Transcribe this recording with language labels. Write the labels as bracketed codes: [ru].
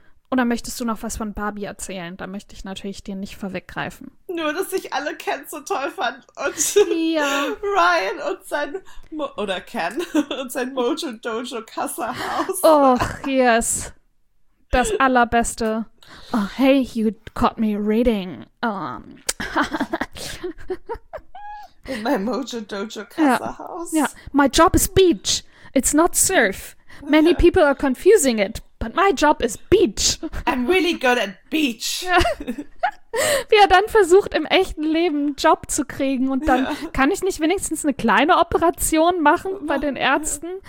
[de] Oder möchtest du noch was von Barbie erzählen? Da möchte ich natürlich dir nicht vorweggreifen. Nur, dass ich alle Ken so toll fand. Und ja. Ryan und sein... Ken und sein Mojo Dojo Kassa-Haus. Och, yes. Das allerbeste. [en] Oh, hey, you caught me reading. My Mojo Dojo Kassa-Haus. Ja. My job is beach. It's not surf. Many people are confusing it. But my job is beach. I'm really good at beach. [de] Ja. Wie er dann versucht, im echten Leben einen Job zu kriegen. Und dann kann ich nicht wenigstens eine kleine Operation machen bei den Ärzten?